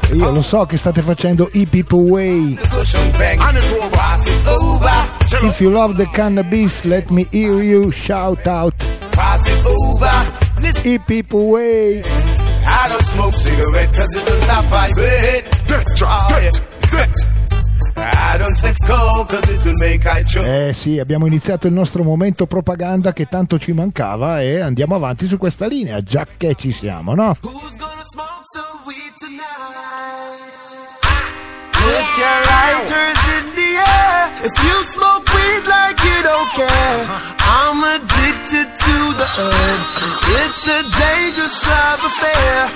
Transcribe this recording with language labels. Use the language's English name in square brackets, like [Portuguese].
[Italian] Io lo so che state facendo hip hip way. [English] Pass it over. If you love the cannabis, let me hear you shout out. Pass it over. Hip hip way. I don't smoke cigarette cause it will stop my breath. I don't sniff coke cause it will make I choke. [Italian] Eh sì, abbiamo iniziato il nostro momento propaganda che tanto ci mancava e andiamo avanti su questa linea, già che ci siamo, no? [English] Who's gonna smoke some weed tonight? Put your lighters in the air. If you smoke weed like you don't care. I'm addicted to the herb. It's a dangerous love affair.